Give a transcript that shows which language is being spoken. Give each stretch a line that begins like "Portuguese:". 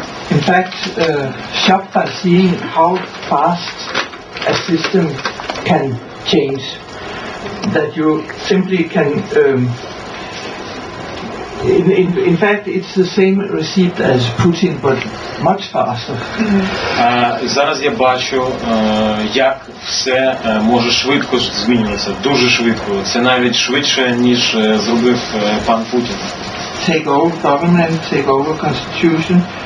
English: In fact, shocked by seeing how fast a system can change, that you simply can... In fact, it's the same receipt as Putin, but much faster.
Ukrainian: Зараз я бачу, як все може швидко змінюватися, дуже швидко. Це навіть швидше, ніж зробив пан Путін.
English: Take over government, take over constitution.